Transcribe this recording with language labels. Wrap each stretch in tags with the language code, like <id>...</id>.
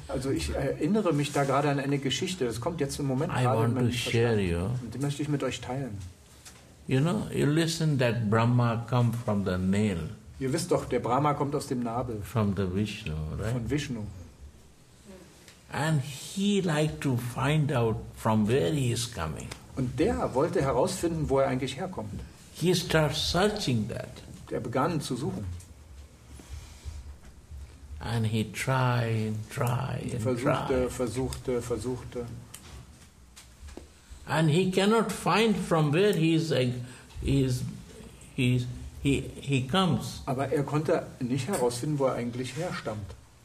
<de>Also ich erinnere mich da gerade an eine Geschichte. Das kommt jetzt im Moment</de> <en>I</en> <de>gerade</de> <en>want</en> <de>in meinem</de> <en>to share you.</en> <de>Und die möchte ich mit euch teilen.</de> <en>You know, you listen that Brahma come from the nail.</en> <de>Ihr wisst doch, der Brahma kommt aus dem Nabel.</de> <en>From the Vishnu, right?</en> <de>Von Vishnu.</de> <en>And he liked to find out from where he is coming.</en> <de>Und der wollte herausfinden, wo er eigentlich herkommt.</de> <en>He started searching that.</en> <de>Der begann zu suchen.</de> <en>And he tried.</en> <de>Versuchte.</de> <en>And he cannot find from where he comes.</en> <de>Aber er konnte nicht herausfinden, wo er eigentlich herstammt.</de>